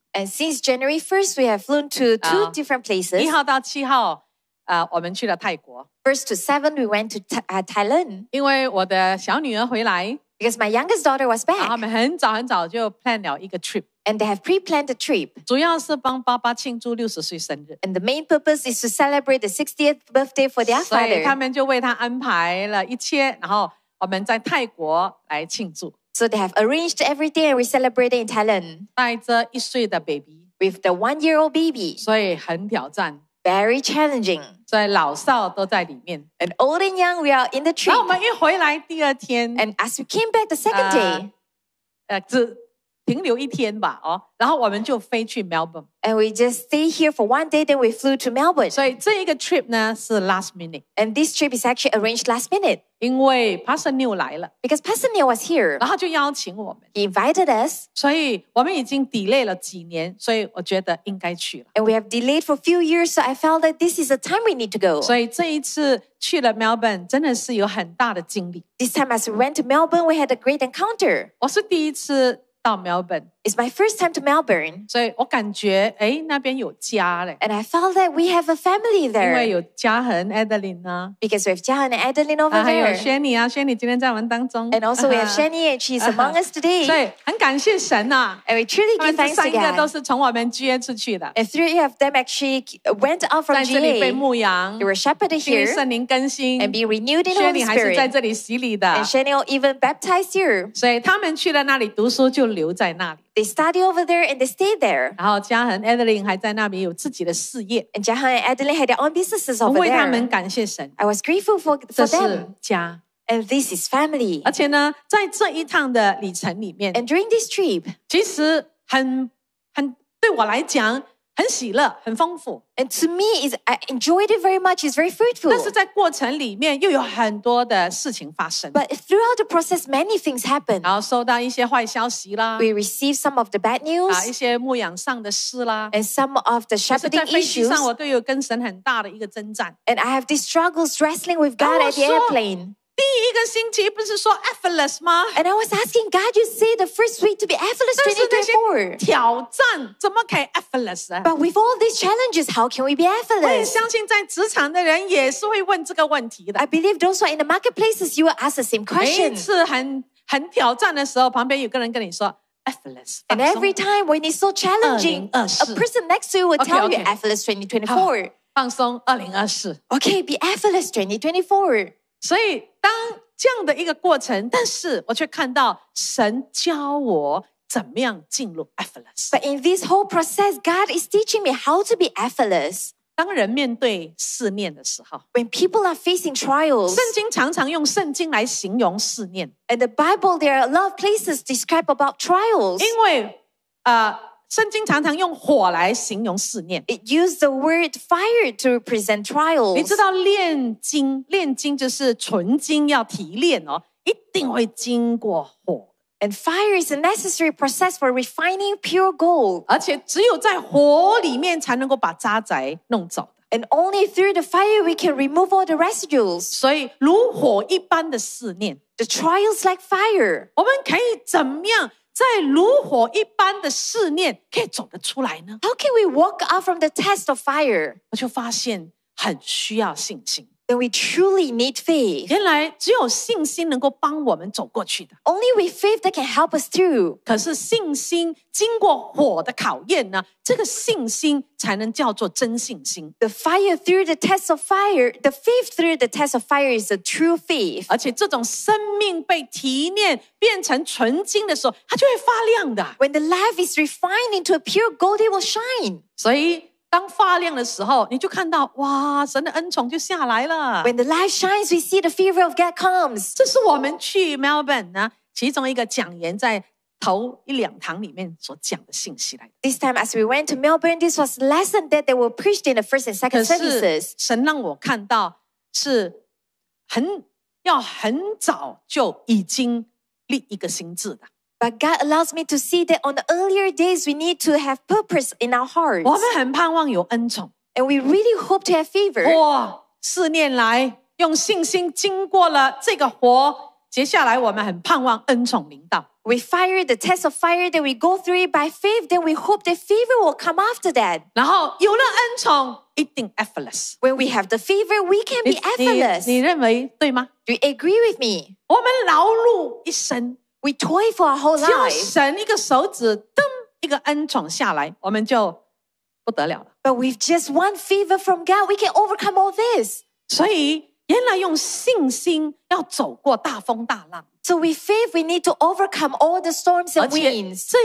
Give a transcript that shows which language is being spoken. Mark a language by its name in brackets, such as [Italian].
[English] And since January 1st, we have flown to two different places. [Chinese] 1号到7号我们去了泰国。 [English] First to 7, we went to Thailand. [Chinese] 因为我的小女儿回来。 [English] Because my youngest daughter was back. [Chinese] 他们很早很早就 plan 了一个 trip. [English] And they have pre-planned a trip. [Chinese] 主要是帮爸爸庆祝60岁生日。 [English] And the main purpose is to celebrate the 60th birthday for their father. [Chinese] 所以他们就为他安排了一切，然后我们在泰国来庆祝。 [English] So they have arranged everything and we celebrated in Thailand. [Chinese] 带着一岁的 baby. [English] With the one-year-old baby. [Chinese] 所以很挑战。 [English] Very challenging. [Chinese] 所以老少都在里面。 [English] And old and young, we are in the trip. [Chinese] 然后我们一回来第二天。 [English] And as we came back the second day. [Chinese] 只停留一天吧哦。然后我们就飞去 Melbourne. [English] And we just stay here for one day, then we flew to Melbourne. [Chinese] 所以这一个 trip 呢是 [English] last minute. And this trip is actually arranged last minute. [Chinese] 因为 Pastor Neil 来了。 [English] Because Pastor Neil was here. [Chinese] 然后就邀请我们。 [English] He invited us. [Chinese] 所以我们已经 delay 了几年，所以我觉得应该去了。 [English] And we have delayed for a few years, so I felt that this is the time we need to go. [Chinese] 所以这一次去了 Melbourne 真的是有很大的经历。 [English] This time as we went to Melbourne, we had a great encounter. [Chinese] 我是第一次到 Melbourne. [English] It's my first time to Melbourne. [Chinese] 所以我感觉那边有家了。 [English] And I felt that we have a family there. [Chinese] 因为有嘉恒 Adeline 啊。 [English] Because we have 嘉恒 Adeline over there. [Chinese] 还有 Shanny 啊 ,Shanny 今天在我们当中。 [English] And also we have Shanny and she's among us today. [Chinese] 所以很感谢神啊。 [English] And we truly give thanks to God. [Chinese] 三个都是从我们 GA 出去的。 [English] And three of them actually went out from GA. [Chinese] 在这里被牧养。 [English] They were shepherded here. [Chinese] 被圣灵更新。 [English] And be renewed in Holy Spirit. [Chinese] Shanny 还是在这里洗礼的。 [English] And Shanny will even baptize here. [Chinese] 所以他们去了那里读书就留在那里。 [English] They study over there and they stay there. [Chinese] 然后嘉恒 Adeline 还在那边有自己的事业。 [English] And 嘉恒 Adeline had their own businesses over there. [Chinese] 我为他们感谢神。 [English] I was grateful for them. [Chinese] 这是家。 [English] And this is family. [Chinese] 而且呢，在这一趟的旅程里面。 [English] And during this trip. [Chinese] 其实很对我来讲很喜乐很丰富。 [English] And to me, I enjoyed it very much. It's very fruitful. [Chinese] 但是在过程里面又有很多的事情发生。 [English] But throughout the process, many things happened. [Chinese] 然后收到一些坏消息啦。 [English] We received some of the bad news. [Chinese] 一些牧养上的事啦。 [English] And some of the shepherding issues. [Chinese] 在飞机上我都有跟神很大的一个征战。 [English] And I have these struggles wrestling with God at the airplane. [Chinese] 第一个星期不是说 effortless 吗？ [English] And I was asking God, you say the first week to be effortless 2024. [Chinese] 挑战怎么可以 effortless 啊？ [English] But with all these challenges, how can we be effortless? [Chinese] 我也相信在职场的人也是会问这个问题的。 [English] I believe those who are in the marketplaces, you will ask the same question. [Chinese] 每一次很挑战的时候，旁边有个人跟你说 effortless, 放松。 [English] And every time when it's so challenging, a person next to you will tell you effortless 2024. [Chinese] 放松2024. [English] Okay, be effortless 2024. [Chinese] 所以当这样的一个过程，但是我却看到神教我怎么样进入 effortless. [English] But in this whole process, God is teaching me how to be effortless. [Chinese] 当人面对试炼的时候， [English] when people are facing trials, [Chinese] 圣经常常用圣经来形容试炼。 [English] And the Bible, there are a lot of places describe about trials. [Chinese] 因为圣经常常用火来形容试炼。 [English] It used the word fire to represent trials. [Chinese] 你知道炼金，炼金就是纯金要提炼哦，一定会经过火。 [English] And fire is a necessary process for refining pure gold. [Chinese] 而且只有在火里面才能够把渣滓弄走。 [English] And only through the fire we can remove all the residues. [Chinese] 所以如火一般的试炼。 [English] The trials like fire. [Chinese] 我们可以怎么样在如火一般的试炼可以走得出来呢？ [English] How can we walk out from the test of fire? [Chinese] 我就发现很需要信心。 [English] Then we truly need faith. [Chinese] 原来只有信心能够帮我们走过去的。 [English] Only with faith that can help us through. [Chinese] 可是信心经过火的考验呢，这个信心才能叫做真信心。 [English] The fire through the test of fire, the faith through the test of fire is a true faith. [Chinese] 而且这种生命被提炼变成纯金的时候，它就会发亮的。 [English] When the life is refined into a pure gold, it will shine. [Chinese] 所以当发亮的时候，你就看到哇，神的恩宠就下来了。 [English] When the light shines, we see the favor of God comes. [Chinese] 这是我们去 Melbourne 呢，其中一个讲员在头一两堂里面所讲的信息来的。 [English] This time, as we went to Melbourne, this was lesson that they were preached in the first and second services. [Chinese] 可是神让我看到是很早就已经立一个心志的。 [English] But God allows me to see that on the earlier days, we need to have purpose in our hearts. [Chinese] 我们很盼望有恩宠。 [English] And we really hope to have favor. 哇， [Chinese] 四年来用信心经过了这个火，接下来我们很盼望恩宠临到。 [English] We fire the test of fire that we go through by faith, then we hope that favor will come after that. [Chinese] 然后有了恩宠，一定 effortless. [English] When we have the favor, we can be effortless. [Chinese] 你认为对吗？ [English] Do you agree with me? [Chinese] 我们劳碌一生， [English] we toil for our whole life. [Chinese] 叫神一个手指，噔，一个恩宠下来，我们就不得了了。 [English] But with just one favor from God, we can overcome all this. [Chinese] 所以原来用信心要走过大风大浪。 [English] So with faith, we need to overcome all the storms and winds. [Chinese] 而且